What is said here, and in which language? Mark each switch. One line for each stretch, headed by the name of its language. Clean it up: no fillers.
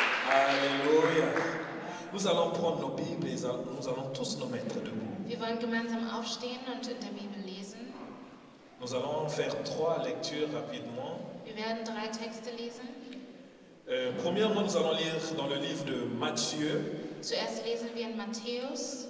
French: Alléluia. Nous allons prendre nos Bibles et nous allons tous nous mettre debout.
German: Wir wollen gemeinsam aufstehen und in der Bibel lesen.
French: Nous allons faire trois lectures rapidement.
German: Wir werden drei Texte lesen.
French: Premièrement, nous allons lire dans le livre de Matthieu.
German: Zuerst lesen wir in Matthäus.